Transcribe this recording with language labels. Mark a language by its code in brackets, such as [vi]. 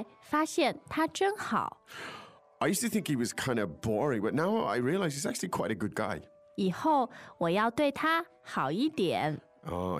[zh] 以前我以为他很无聊，现在发现他真好。I [en] used to think he was kind of boring, but now I realize he's actually quite a good guy. [zh] 以后我要对他好一点。Oh,